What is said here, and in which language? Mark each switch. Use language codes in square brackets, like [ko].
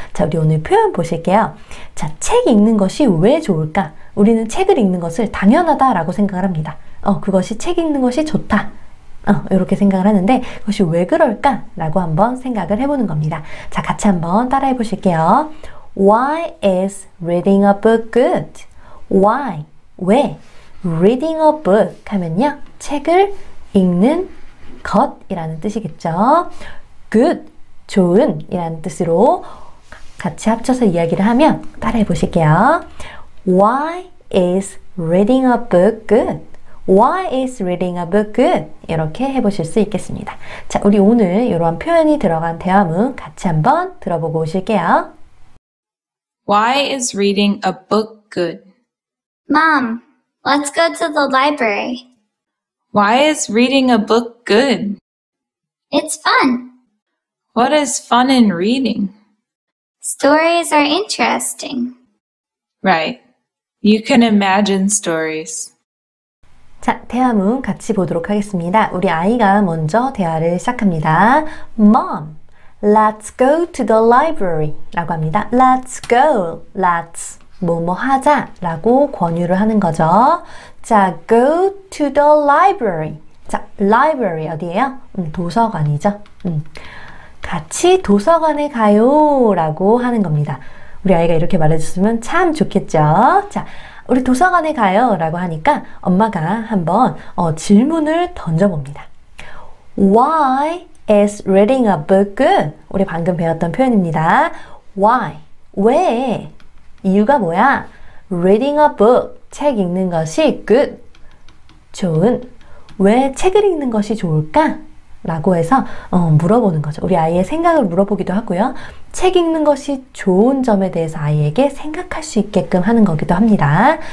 [ko] 자, 우리 오늘 표현 보실게요. 자, 책 읽는 것이 왜 좋을까? 우리는 책을 읽는 것을 당연하다라고 생각을 합니다. 그것이 책 읽는 것이 좋다. 이렇게 생각을 하는데, 그것이 왜 그럴까라고 한번 생각을 해보는 겁니다. 자, 같이 한번 따라해 보실게요. [en] Why is reading a book good? Why? [ko] 왜? [en] Reading a book [ko] 하면요, 책을 읽는 것이라는 뜻이겠죠. [en] Good. [ko] 좋은이라는 뜻으로 같이 합쳐서 이야기를 하면 따라해 보실게요. [en] Why is reading a book good? Why is reading a book good? [ko] 이렇게 해보실 수 있겠습니다. 자, 우리 오늘 이러한 표현이 들어간 대화문 같이 한번 들어보고 오실게요. [en] Why is reading a book good? Mom, let's go to the library. Why is reading a book good? It's fun. What is fun in reading? Stories are interesting. Right. You can imagine stories. [ko] 자, 대화문 같이 보도록 하겠습니다. 우리 아이가 먼저 대화를 시작합니다. [en] Mom, let's go to the library. [ko] 라고 합니다. [en] Let's go. [ko] Let's. 뭐뭐 하자. 라고 권유를 하는 거죠. 자, [en] go to the library. [ko] 자, library 어디예요? 도서관이죠. 같이 도서관에 가요 라고 하는 겁니다. 우리 아이가 이렇게 말해줬으면 참 좋겠죠. 자, 우리 도서관에 가요 라고 하니까 엄마가 한번 질문을 던져봅니다. [en] Why is reading a book good? [ko] 우리 방금 배웠던 표현입니다. [en] Why? [ko] 왜? 이유가 뭐야? [en] Reading a book. [ko] 책 읽는 것이 good. 좋은. 왜 책을 읽는 것이 좋을까? 라고 해서 물어보는 거죠. 우리 아이의 생각을 물어보기도 하고요. 책 읽는 것이 좋은 점에 대해서 아이에게 생각할 수 있게끔 하는 거기도 합니다.